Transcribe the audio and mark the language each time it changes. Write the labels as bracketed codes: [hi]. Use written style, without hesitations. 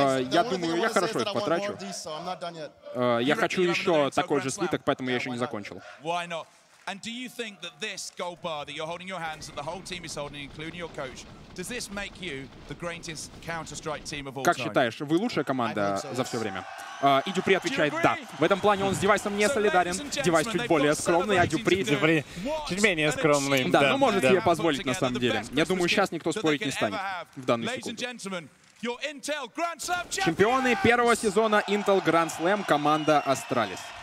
[ru] Я думаю, я хорошо их потрачу. Я хочу еще такой же слиток, поэтому я еще не закончил. [en] Why not? And do you think that this gold bar that you're holding your hands, that the whole team is holding, including your coach, does this make you the greatest Counter-Strike team of all [ru] time? Как считаешь, вы лучшая команда за все время? И Дюпри отвечает «Да». В этом плане он с девайсом не солидарен. Девайс чуть более скромный, а Дюпри... Дюпри чуть менее скромный. Да, но может себе позволить на самом деле. Я думаю, сейчас никто спорить не станет в данную секунду. Your Intel Grand Slam чемпионы первого сезона Intel Grand Slam, команда Astralis.